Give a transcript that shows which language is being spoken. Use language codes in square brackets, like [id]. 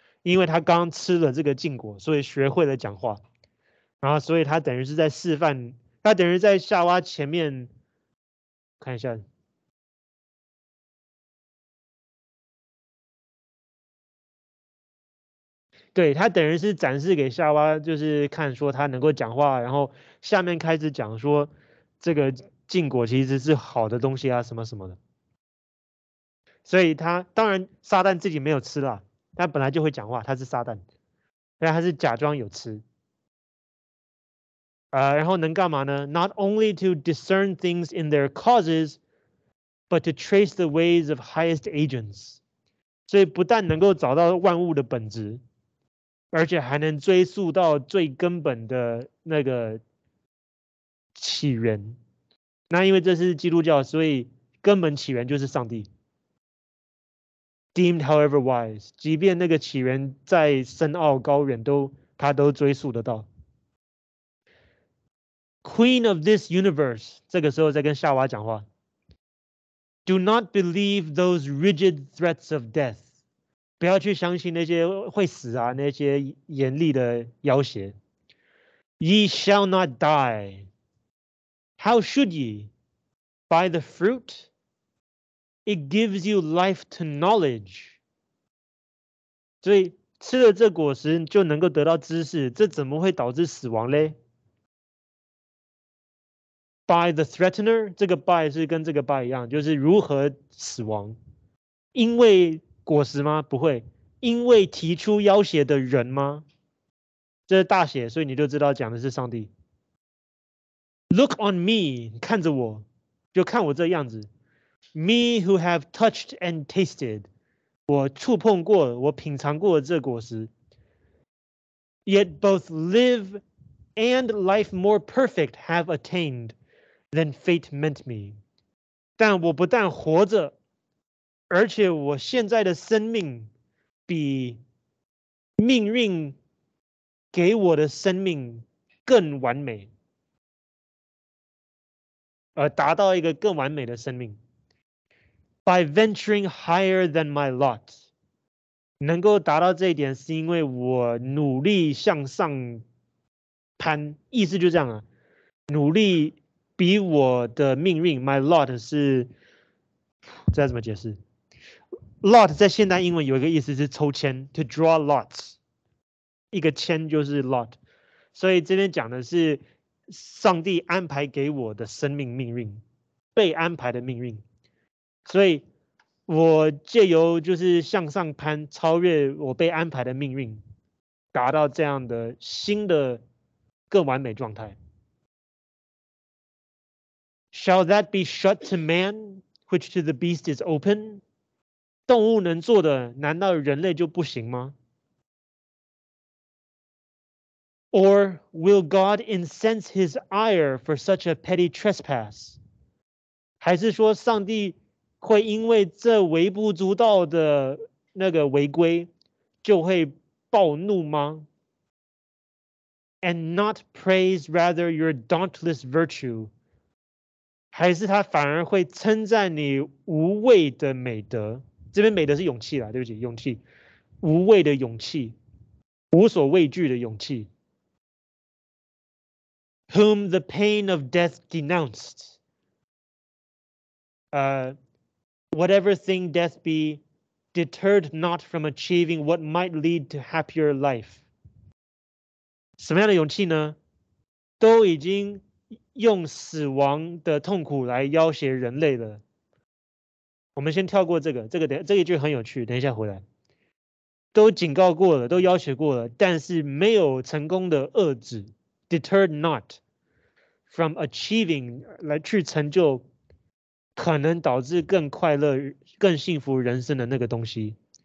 [zh] 因为他刚吃了这个禁果，所以学会了讲话，然后所以他等于是在示范，他等于在夏娃前面，看一下，对，他等于是展示给夏娃，就是看说他能够讲话，然后下面开始讲说这个禁果其实是好的东西啊，什么什么的，所以他当然撒旦自己没有吃了。他本来就会讲话，他是撒旦，但他是假装有吃、然后能干嘛呢？ [en] Not only to discern things in their causes, but to trace the ways of highest agents. [zh] 所以不但能够找到万物的本质，而且还能追溯到最根本的那个起源。那因为这是基督教，所以根本起源就是上帝。 [en] Deemed however wise, [zh] 即便那个起源再深奥高远都他都追溯得到。 [en] Queen of this universe, [zh] 这个时候在跟夏娃讲话。 [en] Do not believe those rigid threats of death. [zh] 不要去相信那些会死啊，那些严厉的要挟。 [en] Ye shall not die. How should ye? By the fruit? It gives you life to knowledge. [zh] 所以吃了这果实就能够得到知识，这怎么会导致死亡呢？ [en] By the threatener, [zh] 这个 by 是跟这个 by 一样，就是如何死亡。因为果实吗？不会。因为提出要挟的人吗？这是大写，所以你就知道讲的是上帝。 [en] Look on me, [zh] 看着我，就看我这样子。 [en] Me who have touched and tasted, [zh] 我触碰过，我品尝过这果实。 [en] Yet both live and life more perfect have attained than fate meant me. [zh] 但我不但活着，而且我现在的生命比命运给我的生命更完美，达到一个更完美的生命。 [en] By venturing higher than my lot, [zh] 能够达到这一点是因为我努力向上攀，意思就这样啊，努力比我的命运 ，my lot 是，这怎么解释 ？lot 在现代英文有一个意思是抽签 ， [en] to draw lots， [zh] 一个签就是 lot， 所以这边讲的是上帝安排给我的生命命运，被安排的命运。所以我借由就是向上攀超越我被安排的命运，达到这样的新的更完美状态。 [en] Shall that be shut to man which to the beast is open? [zh] 动物能做的难道人类就不行吗？ [en] Or will God incense his ire for such a petty trespass? [zh] 还是说上帝会因为这微不足道的那个违规就会暴怒吗？ [en] And not praise rather your dauntless virtue. [zh] 还是他反而会称赞你无畏的美德，这边美德是勇气啦，对不起，勇气，无畏的勇气，无所畏惧的勇气。 [en] Whom the pain of death denounced. Whatever thing death be, deterred not from achieving what might lead to happier life. [zh] 什么样的勇气呢？都已经用死亡的痛苦来要挟人类的。我们先跳过这个，这一句很有趣，等一下回来。都警告过了，都要挟过了，但是没有成功的遏制 ， [en] deterred not from achieving [zh] 来去成就可能导致更快乐、更幸福人生的那个东西。